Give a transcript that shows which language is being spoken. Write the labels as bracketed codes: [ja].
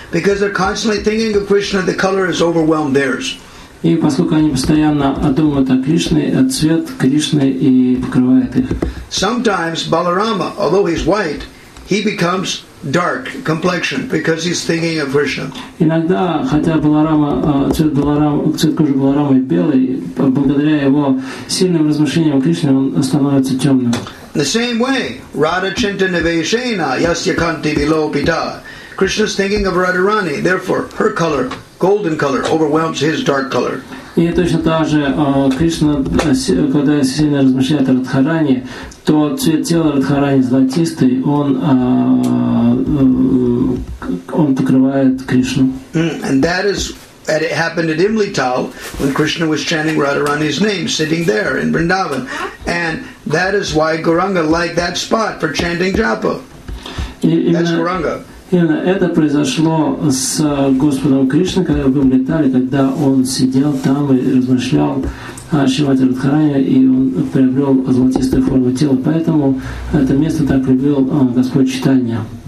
[en] Because they're constantly thinking of Krishna, the color has overwhelmed theirs. [ru] И поскольку они постоянно думают о Кришне, цвет Кришны и покрывает их. [en] Sometimes Balarama, although he's white, he becomes dark complexion because he's thinking of Krishna. [ru] Иногда, хотя цвет кожи Баларамы белый, благодаря его сильным размышлениям о Кришне он становится темным. [en] The same way, [sa] Radha Chintana Vesena Yasya Kanti Vilopita. [en] Krishna's thinking of Radharani, therefore her color, golden color, overwhelms his dark color. [ru] И точно так же Кришна, когда сильно размышляет о Радхарани, то цвет тела Радхарани золотистый, он покрывает Кришну. [en] And that is, and it happened at Imlital when Krishna was chanting Radharani's name, sitting there in Vrindavan, and that is why Gauranga liked that spot for chanting Japa. That's Gauranga. [ru] Именно это произошло с Господом Кришной, когда в Имлитале, когда он сидел там и размышлял о Шримати Радхарани, и он приобрел золотистую форму тела. Поэтому это место так любил Господь Чайтанья.